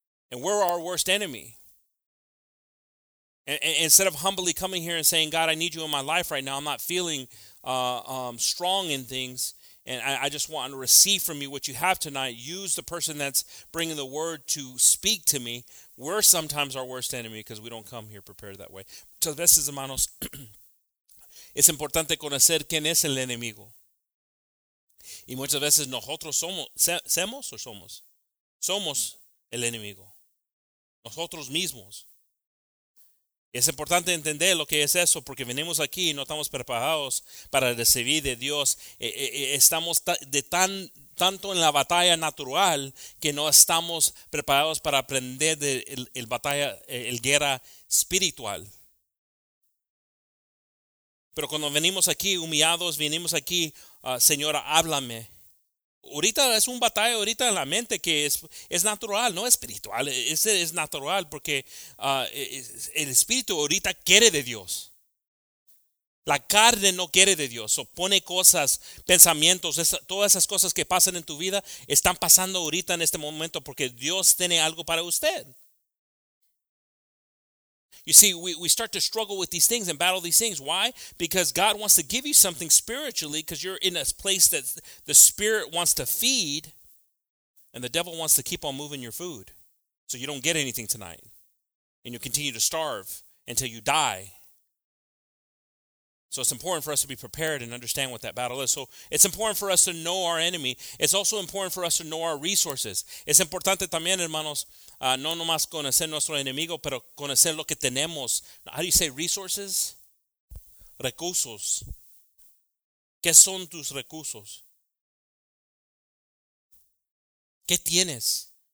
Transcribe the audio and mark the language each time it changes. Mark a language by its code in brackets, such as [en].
[en] And we're our worst enemy. And instead of humbly coming here and saying, God, I need you in my life right now. I'm not feeling strong in things. And I just want to receive from you what you have tonight. Use the person that's bringing the word to speak to me. We're sometimes our worst enemy because we don't come here prepared that way. [es] Muchas veces, hermanos, es importante conocer quién es el enemigo. Y muchas veces nosotros somos el enemigo. Nosotros mismos. Es importante entender lo que es eso porque venimos aquí y no estamos preparados para recibir de Dios. Estamos tanto en la batalla natural que no estamos preparados para aprender de la guerra espiritual. Pero cuando venimos aquí humillados, venimos aquí, Señora, háblame. Ahorita es un batalla ahorita en la mente que es natural, no espiritual. Es natural porque el espíritu ahorita quiere de Dios. La carne no quiere de Dios. Opone cosas, pensamientos, todas esas cosas que pasan en tu vida están pasando ahorita en este momento porque Dios tiene algo para usted. [en] You see, we start to struggle with these things and battle these things. Why? Because God wants to give you something spiritually, because you're in a place that the spirit wants to feed and the devil wants to keep on moving your food. So you don't get anything tonight and you continue to starve until you die. So it's important for us to be prepared and understand what that battle is. So it's important for us to know our enemy. It's also important for us to know our resources. [es] Es importante también, hermanos, no nomás conocer nuestro enemigo, pero conocer lo que tenemos. [en] How do you say resources? Recursos. [es] ¿Qué son tus recursos? ¿Qué tienes?